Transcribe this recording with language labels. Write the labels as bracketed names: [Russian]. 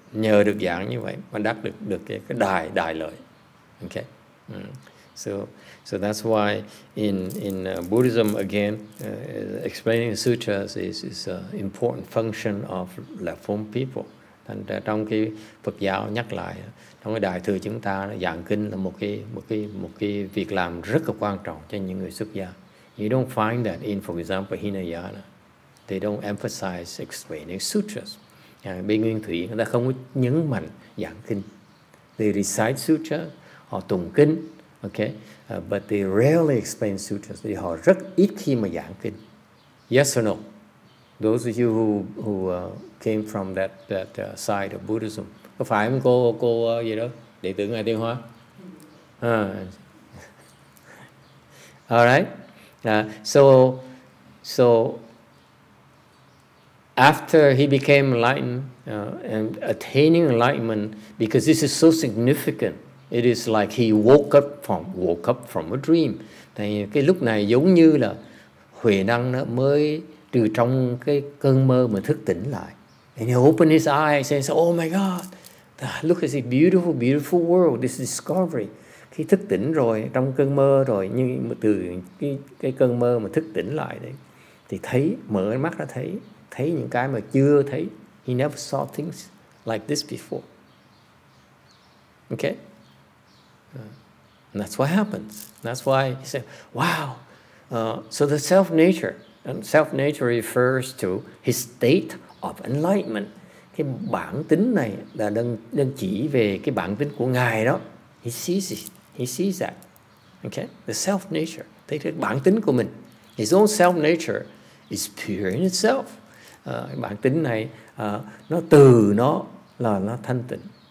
[Vietnamese] Nhờ được giảng như vậy mà đắc được cái đại lợi. [English] Okay. Mm. So that's why in Buddhism again explaining sutras is an important function of reform people. [Vietnamese] Thành ra trong cái Phật giáo nhắc lại trong cái đại thừa chúng ta giảng kinh là một cái việc làm rất là quan trọng cho những người xuất gia. [English] You don't find that in, for example, Hinayana. They don't emphasize explaining sutras. [Vietnamese] Bên Nguyên Thủy người ta không có nhấn mạnh giảng kinh. [English] They recite sutra, [Vietnamese] họ tụng kinh, [English] okay? But they rarely explain sutras. [Vietnamese] Thì họ rất ít khi mà giảng kinh. [English] Yes or no? Those of you who came from that side of Buddhism. [Vietnamese] Có phải không cô gì đó? Đệ tử Ngài Tiên Hóa? [English] All right. So after he became enlightened and attaining enlightenment, because this is so significant, it is like he woke up from a dream. [Vietnamese] Thì cái lúc này giống như là Huệ Năng mới từ trong cái cơn mơ mà thức tỉnh lại. [English] And he opened his eyes and said, "Oh my God, look at this beautiful, beautiful world, this discovery." [Vietnamese] Khi thức tỉnh rồi, trong cơn mơ rồi, nhưng từ cái cơn mơ mà thức tỉnh lại đấy, thì thấy, mở mắt ra thấy những cái mà chưa thấy. [English] He never saw things like this before. Okay? And that's what happens. That's why he said, wow. So the self-nature, and self-nature refers to his state of enlightenment. [Vietnamese] Cái bản tính này là đang chỉ về cái bản tính của Ngài đó. [English] He sees it. He sees that, okay? The self nature, [Vietnamese] thấy cái bản tính của mình. [English] His own self nature is pure in itself. [Vietnamese] Bản tính này nó từ nó là nó thanh tịnh.